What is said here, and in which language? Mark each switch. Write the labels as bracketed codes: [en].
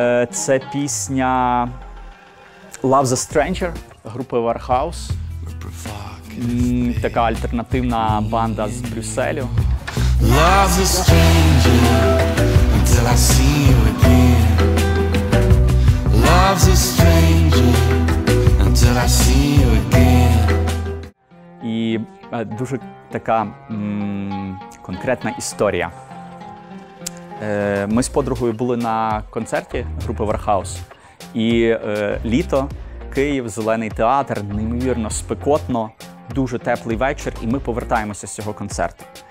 [uk] Це пісня «Love's a Stranger» групи Warhouse. Така альтернативна банда з Брюсселю. [en] Love's a stranger until I see you again. Love's a stranger until I see you again. [uk] І дуже така конкретна історія. Ми з подругою були на концерті групи Warhouse. І літо, Київ, Зелений театр, неймовірно спекотно, дуже теплий вечір, і ми повертаємося з цього концерту.